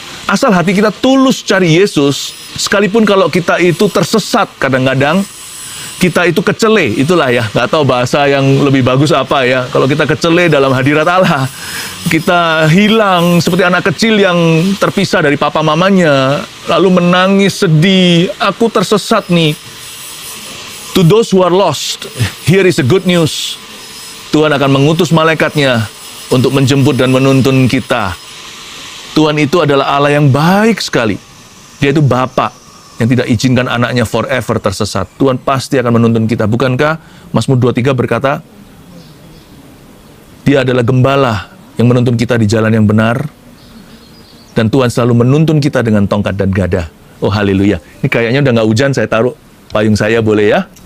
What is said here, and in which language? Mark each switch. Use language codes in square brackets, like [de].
[id] Asal hati kita tulus cari Yesus, sekalipun kalau kita itu tersesat kadang-kadang, kita itu kecele, itulah ya, nggak tahu bahasa yang lebih bagus apa ya. Kalau kita kecele dalam hadirat Allah, kita hilang seperti anak kecil yang terpisah dari papa mamanya, lalu menangis sedih, aku tersesat nih. [en] To those who are lost, here is a good news. [id] Tuhan akan mengutus malaikatnya untuk menjemput dan menuntun kita. Tuhan itu adalah Allah yang baik sekali. Dia itu Bapa yang tidak izinkan anaknya forever tersesat. Tuhan pasti akan menuntun kita. Bukankah Mazmur 23 berkata, Dia adalah gembala yang menuntun kita di jalan yang benar, dan Tuhan selalu menuntun kita dengan tongkat dan gada. Oh, haleluya. Ini kayaknya udah gak hujan, saya taruh payung saya boleh ya.